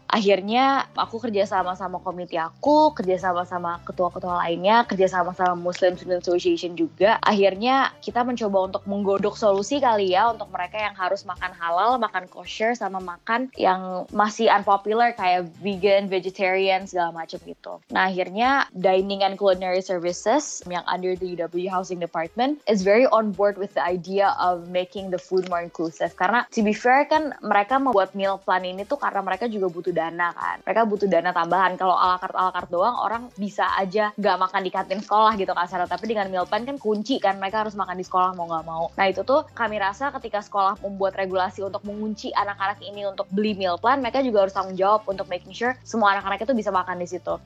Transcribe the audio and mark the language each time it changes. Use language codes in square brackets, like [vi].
[id] Akhirnya aku kerja sama-sama komite aku, kerja sama-sama ketua-ketua lainnya, kerja sama-sama Muslim Student Association juga. Akhirnya kita mencoba untuk menggodok solusi kali ya untuk mereka yang harus makan halal, makan kosher, sama makan yang masih unpopular kayak vegan, vegetarian, segala macam gitu. Nah akhirnya [en] Dining and Culinary Services yang under the UW Housing Department is very on board with the idea of making the food more inclusive. [id] Karena [en] to be fair [id] kan mereka membuat meal plan ini tuh karena mereka juga butuh dana kan. Mereka butuh dana tambahan. Kalau ala carte doang, orang bisa aja gak makan di kantin sekolah gitu kasarnya. Tapi dengan meal plan kan kunci kan, mereka harus makan di sekolah mau gak mau. Nah itu tuh kami rasa ketika sekolah membuat regulasi untuk mengunci anak-anak ini untuk beli meal plan, mereka juga harus tanggung jawab untuk [en] making sure [id] semua anak-anak itu bisa makan di situ.